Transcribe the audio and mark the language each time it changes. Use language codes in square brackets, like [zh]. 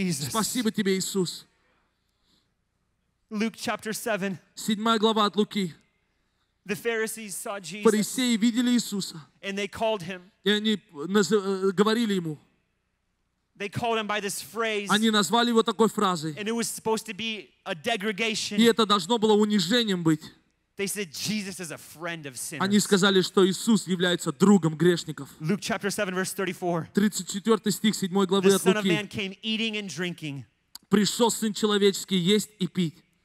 [ru] Спасибо тебе, Иисус. 7 глава от Луки. Фарисеи видели Иисуса. И они говорили Ему. [en] They called him by this phrase. [ru] Они назвали его такой фразой. [en] And it was supposed to be a degradation. [ru] И это должно было унижением быть. [en] They said Jesus is a friend of sinners. [ru] Они сказали, что Иисус является другом грешников. [en] Luke chapter 7 verse 34. [ru] 34 стих 7 главы от Луки. [en] The Son of Man came eating and drinking. [ru] Пришел Сын человеческий есть и пить.